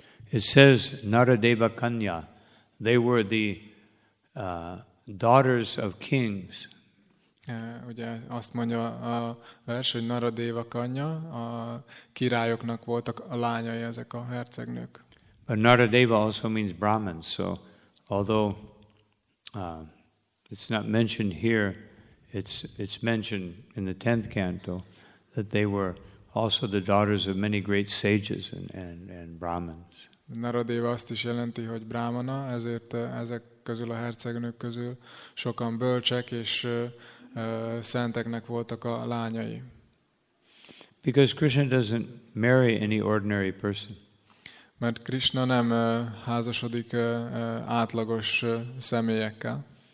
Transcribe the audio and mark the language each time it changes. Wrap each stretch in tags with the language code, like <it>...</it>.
<en>It says Naradeva Kanya, they were the daughters of kings.</en> <hu>Ugye azt mondja a vers, hogy Naradeva Kanya, a királyoknak voltak a lányai ezek a hercegnők.</hu> <en>But Naradeva also means Brahman, so although it's not mentioned here, it's mentioned in the 10th canto that they were also the daughters of many great sages and Brahmins.</en> <hu>Naradeva azt is jelenti, hogy Brahmana, ezért ezek közül a hercegnők közül sokan bölcsek és szenteknek voltak a lányai.</hu> <en>Because Krishna doesn't marry any ordinary person.</en> <hu>Mert Krishna nem házasodik átlagos személyekkel.</hu>